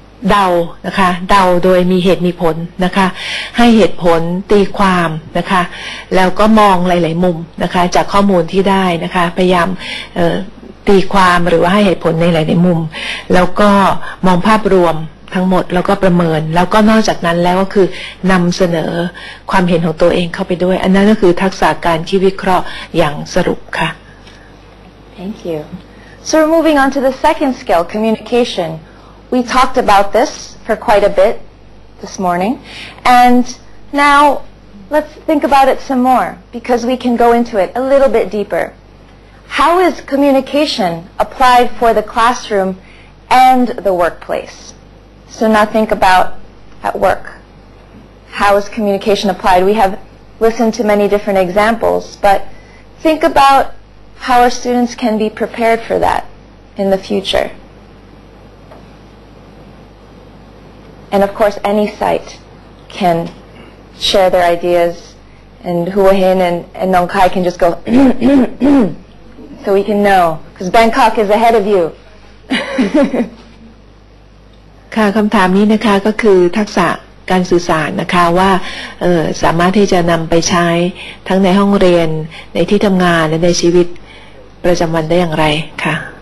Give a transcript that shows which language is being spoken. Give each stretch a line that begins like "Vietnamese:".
Thai: เดานะคะเดาโดยมีเหตุมีผลนะคะให้เหตุผลตีความนะคะแล้วก็มองหลายๆมุมนะคะจากข้อมูลที่ได้นะคะพยายามตีความหรือว่าให้เหตุผลในหลายๆมุมแล้วก็มองภาพรวมทั้งหมดแล้วก็ประเมินแล้วก็นอกจากนั้นแล้วก็คือนำเสนอความเห็นของตัวเองเข้าไปด้วยอันนั้นก็คือทักษะการคิดวิเคราะห์อย่างสรุปค่ะ
English: Thank you. So we're moving on to the second skill, communication. We talked about this for quite a bit this morning, and now let's think about it some more because we can go into it a little bit deeper. How is communication applied for the classroom and the workplace? So now think about at work. How is communication applied? We have listened to many different examples, but think about how our students can be prepared for that in the future. And of course, any site can share their ideas, and Hua Hin and Nong Kai can just go, so we can know, because Bangkok is ahead of you.
Thai: ค่ะ คำถามนี้นะคะก็คือทักษะการสื่อสารนะคะว่าสามารถที่จะนำไปใช้ทั้งในห้องเรียนในที่ทำงานและในชีวิตประจำวันได้อย่างไรค่ะ